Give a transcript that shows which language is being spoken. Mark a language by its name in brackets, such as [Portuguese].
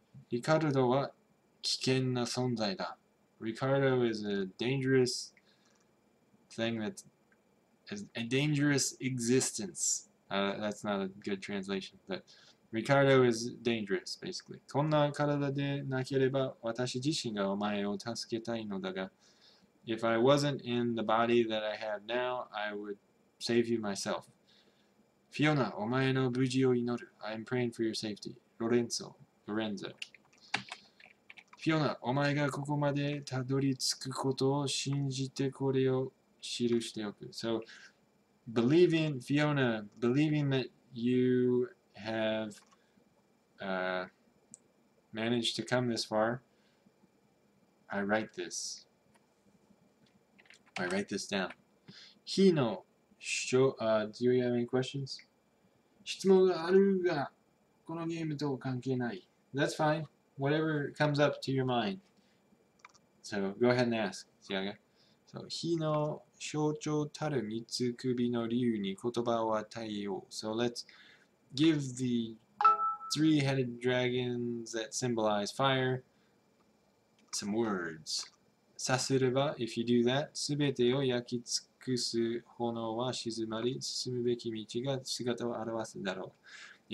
[Japanese] リカルドは危険な存在だ。 [English] Ricardo is a dangerous thing that is a dangerous existence. That's not a good translation, but Ricardo is dangerous, basically. [Japanese] こんな体でなければ私自身がお前を助けたいのだが。 [English] If I wasn't in the body that I have now, I would save you myself. Fiona, [Japanese] お前の無事を祈る。 [English] I'm praying for your safety. Lorenzo. [Japanese] フィオナ、お前がここまでたどり着くことを信じてこれを記しておく。 [English] So, believing, Fiona, believing that you have managed to come this far, I write this. I write this down. ヒノ、do you have any questions? [Japanese] 質問があるが、このゲームと関係ない。 [English] That's fine. Whatever comes up to your mind. So go ahead and ask, Siaga. [Japanese] So, 火の象徴たる三つ首の竜に言葉を与えよう。 [English] So let's give the three-headed dragons that symbolize fire some words. [Japanese] さすれば、 [English] if you do that, [Japanese] すべてを焼き尽くす炎は静まり、進むべき道が姿を現すだろう。